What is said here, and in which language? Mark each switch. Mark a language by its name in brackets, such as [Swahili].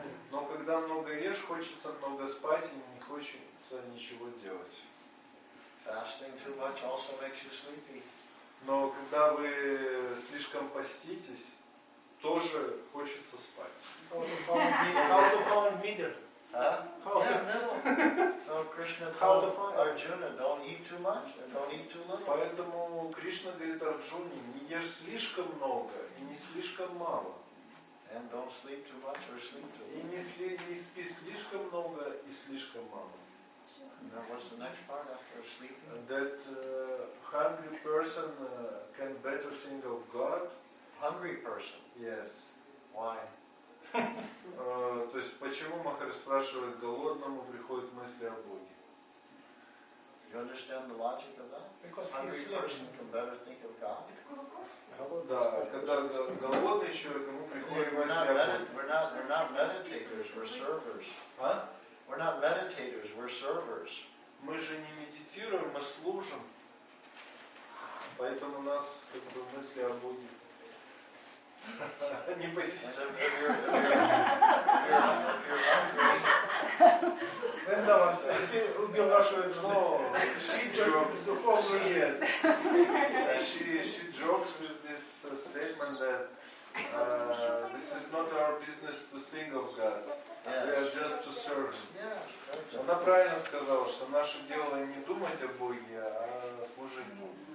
[Russian] Но когда много ешь, хочется много спать и не хочется ничего делать. [English] Fasting too much also makes you sleepy. [Russian] Но когда вы слишком поститесь, тоже хочется спать. [English] How to find meter? So Krishna told Arjuna, don't eat too much and don't eat too little. [Russian] Поэтому Кришна говорит Арджуне, не ешь слишком много и не слишком мало. [English] And don't sleep too much or sleep too little. [Russian] И не спи слишком много и слишком мало. [English] Now what's the next part after sleeping? That hungry person can better think of God. Hungry person. Yes. Why? [Russian] То есть почему Махарадж спрашивает голодному приходят мысли о Боге? [English] You understand the logic of that? Because hungry person can better think of God. [Russian] Да, когда голодный человек ему приходит мысли о Боге. [English] We're not meditators. We're servers. Huh? We're not meditators. We're servers. [Russian] Мы же не медитируем, мы служим. Поэтому у нас как бы мысли о Боге. Не посещаешь. Да, ты убил нашу эту. [English] She jokes. [Russian] Духовную жизнь. [English] She jokes with this statement that this is not our business to think of God. Yes. We are just to serve. Yeah. [Russian] Она правильно сказал, что наше дело не думать о Боге, а служить Богу.